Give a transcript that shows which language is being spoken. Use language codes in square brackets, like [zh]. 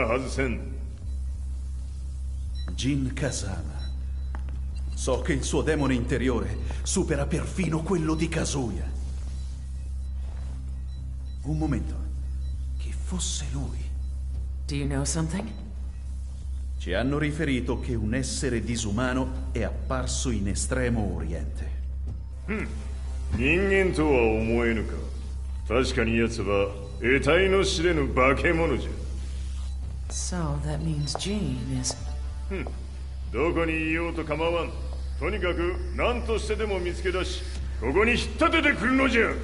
[ja] デビルという存在を世に知らしめ、わしの正当性を主張するには、やはりジンは外せん。ジン Kazama. [it] So che il suo demone interiore supera perfino quello di Kazuya. Un momento. Che fosse lui? [en] Do you know something? [it] Ci hanno riferito che un essere disumano è apparso in Estremo Oriente. [ja] Hmm. 人間とは思えぬか? 確かに奴は得体の知れぬ化け物じゃ。 [en] So that means Jean is... [ja] どこにいようと構わん。とにかく何としてでも見つけ出し、 ここに引っ立ててくるのじゃ。